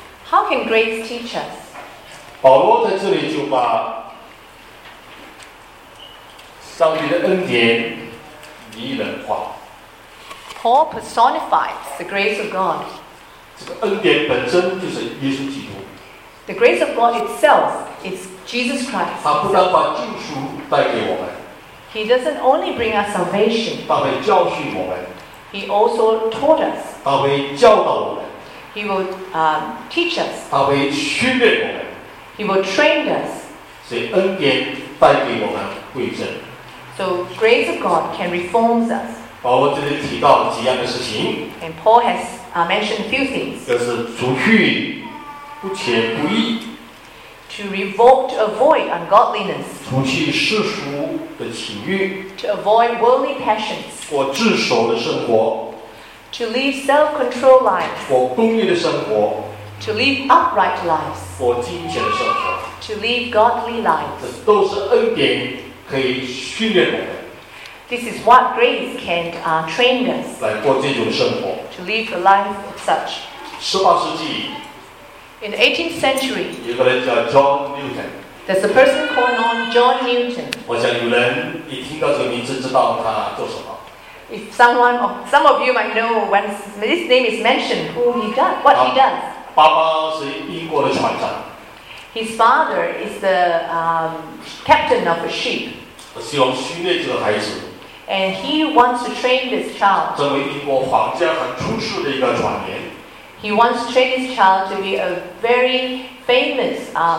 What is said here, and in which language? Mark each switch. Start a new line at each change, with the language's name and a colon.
English: ？How can grace teach us?
Chinese: 保罗在这里就把上帝的恩典拟人化。
English: Paul personifies the grace of God.
Chinese: 这个恩典本身就是耶稣基督。
English: The grace of God itself is Jesus Christ.
Chinese: 他不但把救赎带给我们。
English: He doesn't only bring us salvation.
Chinese: 他会教训我们。
English: He also taught us.
Chinese: 他会教导我们。
English: He will teach us.
Chinese: 他会训练我们。
English: He will train us.
Chinese: 所以恩典带给我们归正。
English: So grace of God can reform us.
Chinese: 保罗这里提到几样的事情。
English: And Paul has mentioned a few things.
Chinese: 就是除去不虔不义。
English: To revoke, to avoid ungodliness.
Chinese: 除去世俗的情欲。
English: To avoid worldly passions.
Chinese: 过自守的生活。
English: To live self-controlled lives.
Chinese: 过公义的生活。
English: To live upright lives.
Chinese: 过敬虔的生活。
English: To live godly lives.
Chinese: 这都是恩典可以训练我们。
English: This is what grace can train us.
Chinese: 来过这种生活。
English: To live a life of such.
Chinese: 十八世纪。
English: In the 18th century.
Chinese: 有个人叫 John Newton.
English: There's a person called on John Newton.
Chinese: 我想有人一听到这个名字，知道他做什么。
English: If someone, or some of you might know when this name is mentioned, who he does, what he does.
Chinese: 爸爸是英国的船长。
English: His father is the captain of a ship.
Chinese: 希望训练这个孩子。
English: And he wants to train this child.
Chinese: 成为英国皇家很出色的一个船员。
English: He wants to train this child to be a very famous.